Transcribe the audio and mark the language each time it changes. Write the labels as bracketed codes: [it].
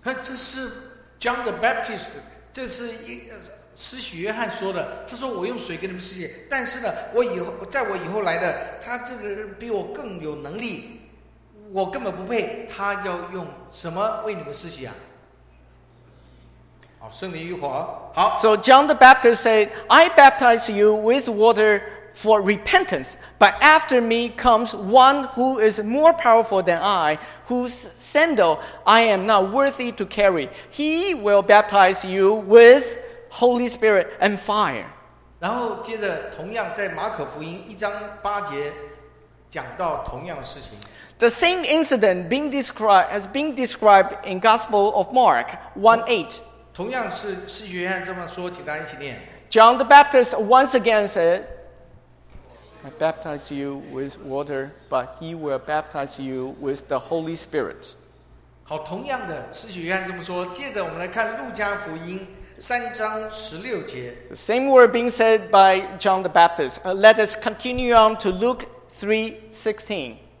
[zh] 这是 John the Baptist， 这是施洗约翰说的，他说我用水给你们施洗，但是呢我以后在我以后来的他这个人比我更有能力，我根本不配，他要用什么为你们施洗啊？圣灵与火。好。 [en] So John the Baptist said, I baptize you with water for repentance, but after me comes one who is more powerful than I, whose sandal I am not worthy to carry. He will baptize you with Holy Spirit and fire. [zh] 然后接着同样在马可福音一章八节讲到同样的事情。 [en] The same incident being described, has been described in Gospel of Mark 1:8. [zh] 同样是施洗约翰这么说，请大家一起念。 [en] John the Baptist once again said, I baptize you with water, but he will baptize you with the Holy Spirit. [zh] 好，同样的，施洗约翰这么说。接着我们来看路加福音三章十六节。 [en] The same word being said by John the Baptist. Let us continue on to Luke 3:16.